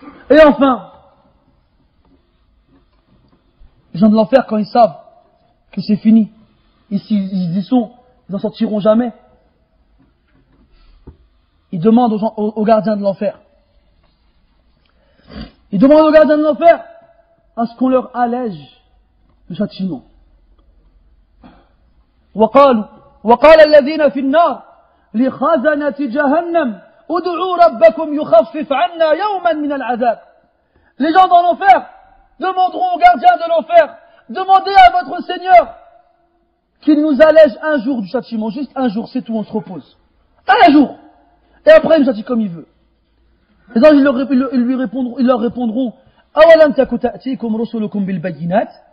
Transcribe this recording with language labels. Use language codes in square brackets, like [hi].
[fr] Et enfin, les gens de l'enfer, quand ils savent que c'est fini, ils y sont, ils n'en sortiront jamais. Il demande aux gardiens de l'enfer. Il demande aux gardiens de l'enfer à ce qu'on leur allège le châtiment. [ar] وقال الذين في النار لخزنة جهنم ادعوا ربكم يخفف عنا يوما من العذاب. [fr] Les gens dans l'enfer demanderont aux gardiens de l'enfer, demandez à votre Seigneur qu'il nous allège un jour du châtiment, juste un jour, c'est tout, on se repose. Un jour. Et après, il nous a dit comme il veut. Les anges, ils leur répondront, [ar] أَوَلَمْ تَكُتَأْتِيكُمْ رُسُلُكُمْ بِالْبَيِّنَاتِ.